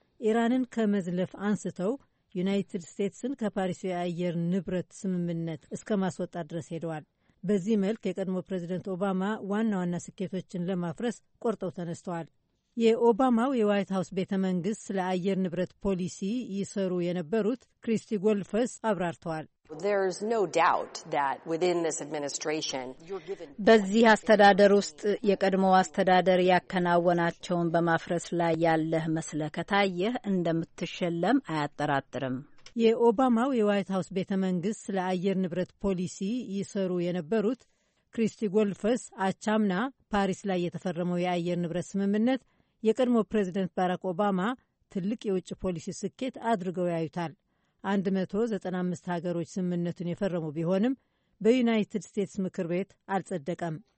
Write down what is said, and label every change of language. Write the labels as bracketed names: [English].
[Amharic] ኢራንን ከመዝለፍ አንስተው ዩናይትድ ስቴትስን ከፓሪስ የአየር ንብረት ስምምነት እስከ ማስወጣት ድረስ ሄደዋል። በዚህ መልክ የቀድሞ ፕሬዚደንት ኦባማ ዋና ዋና ስኬቶችን ለማፍረስ ቆርጠው ተነስተዋል። የኦባማው የዋይት ሀውስ ቤተ መንግስት ስለ አየር ንብረት ፖሊሲ ይሰሩ የነበሩት ክሪስቲ ጎልፈስ አብራርተዋል። [English] There's no doubt that within this administration [Amharic] በዚህ አስተዳደር ውስጥ የቀድሞው አስተዳደር ያከናወናቸውን በማፍረስ ላይ ያለህ መስለ ከታየህ እንደምትሸለም አያጠራጥርም። የኦባማው የዋይት ሀውስ ቤተ መንግስት ለአየር ንብረት ፖሊሲ ይሰሩ የነበሩት ክሪስቲ ጎልፈስ አቻምና ፓሪስ ላይ የተፈረመው የአየር ንብረት ስምምነት የቀድሞ ፕሬዚደንት ባራክ ኦባማ ትልቅ የውጭ ፖሊሲ ስኬት አድርገው ያዩታል። 195 ሀገሮች ስምምነቱን የፈረሙ ቢሆንም በዩናይትድ ስቴትስ ምክር ቤት አልጸደቀም።